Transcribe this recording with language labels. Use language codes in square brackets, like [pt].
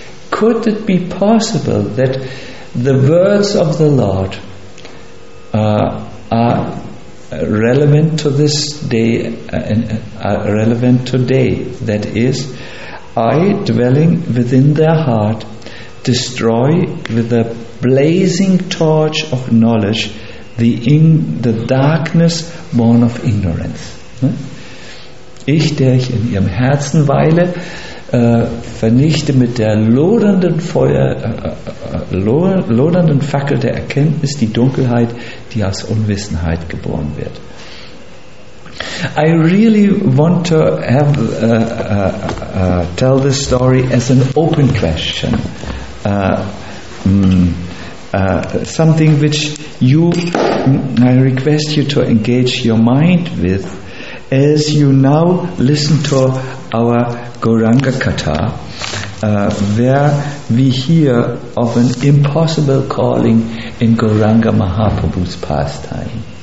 [en] Could it be possible that the words of the Lord are relevant to this day and are relevant today? That is, I, dwelling within their heart, destroy with a blazing torch of knowledge the darkness born of ignorance. [de] Ich, der ich in ihrem Herzen weile, vernichte mit der lodernden Feuer, lodernden Fackel der Erkenntnis die Dunkelheit, die aus Unwissenheit geboren wird. [en] I really want to have tell this story as an open question, something which you, I request you to engage your mind with as you now listen to our Gauranga Katha, where we hear of an impossible calling in Gauranga Mahaprabhu's pastime.